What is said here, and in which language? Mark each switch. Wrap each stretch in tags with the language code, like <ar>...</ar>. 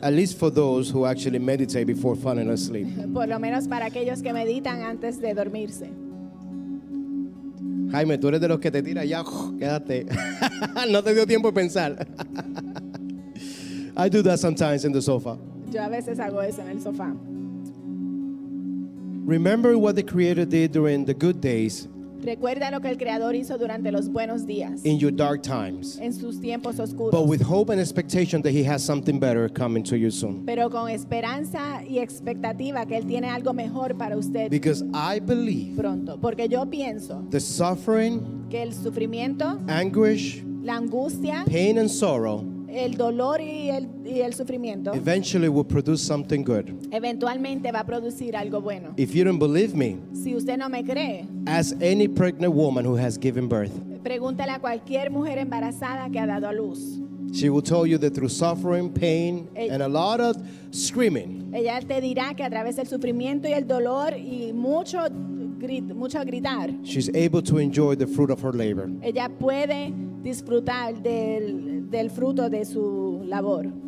<en>At least for those who actually meditate before falling asleep.</en> <es>Por lo menos para aquellos que meditan antes de dormirse. Jaime, tú eres de los que te tira ya, quédate. No te dio tiempo de pensar.</es> <en>I do that sometimes in the sofa.</en> <es>Yo a veces hago eso en el sofá.</es> <en>Remember what the Creator did during the good days.</en> <es>Recuerda lo que el Creador hizo durante los buenos días.</es> <en>In your dark times.</en> <es>En sus tiempos oscuros.</es> <en>But with hope and expectation that he has something better coming to you soon.</en> <es>Pero con esperanza y expectativa que él tiene algo mejor para usted.</es> <en>Because I believe.</en> <es>Pronto. Porque yo pienso.</es> <en>The suffering.</en> <es>Que el sufrimiento.</es> <en>Anguish.</en> <es>La angustia.</es> <en>Pain and sorrow.</en> <es>el dolor y el sufrimiento.</es> <en>Eventually will produce something good.</en> <es>Eventualmente va a producir algo bueno.</es> <en>If you don't believe me,</en> <es>si usted no me cree,</es> <en>ask any pregnant woman who has given birth.</en> <es>Pregúntale a cualquier mujer embarazada que ha dado a luz.</es> <en>She will tell you that through suffering, pain, and a lot of screaming.</en> <es>Ella te dirá que a través del sufrimiento y el dolor y mucho mucho gritar.</es> <en>She's able to enjoy the fruit of her labor.</en> <es>Ella puede disfrutar del del fruto de su labor.</es>